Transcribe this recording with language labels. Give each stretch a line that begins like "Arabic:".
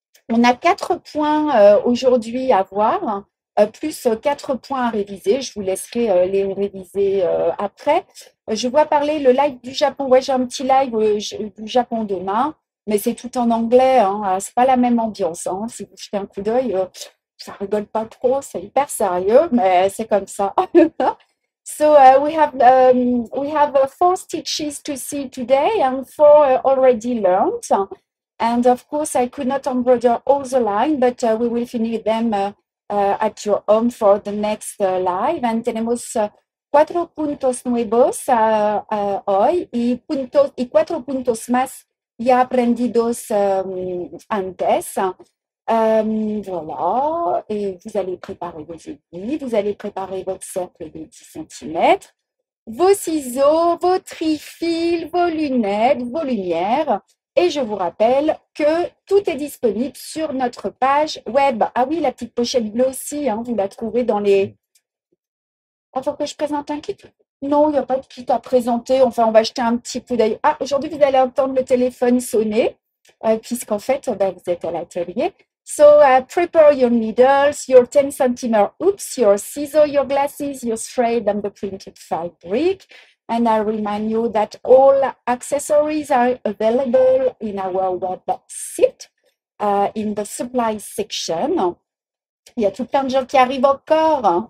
French: On a 4 points aujourd'hui à voir, plus 4 points à réviser. Je vous laisserai les réviser après. Je vois parler le live du Japon. Ouais, j'ai un petit live du Japon demain, mais c'est tout en anglais. Hein. Ce n'est pas la même ambiance. Hein. Si vous jetez un coup d'œil, ça ne rigole pas trop. C'est hyper sérieux, mais c'est comme ça.
English: So, we have 4 stitches to see today and 4 already learned. And of course, I could not embroider all the lines, but we will finish them at your home for the next live.
Spanish: And tenemos 4 puntos nuevos hoy y 4 puntos más ya aprendidos antes.
French: Voilà, et vous allez préparer vos aiguilles, vous allez préparer votre cercle de 10 cm, vos ciseaux, vos trifils, vos lunettes, vos lumières. Et je vous rappelle que tout est disponible sur notre page web. Ah oui, la petite pochette bleue aussi, hein, vous la trouvez dans les... Il faut que je présente un kit. Non, il n'y a pas de kit à présenter. Enfin, on va jeter un petit coup d'œil. Ah, aujourd'hui, vous allez entendre le téléphone sonner, puisqu'en fait, ben, vous êtes à l'atelier.
English: So, prepare your needles, your 10 cm hoops, your scissors, your glasses, your thread, and the printed fabric. And I remind you that all accessories are available in our website, in the supply section.
French: Il y a tout plein de gens qui arrivent encore.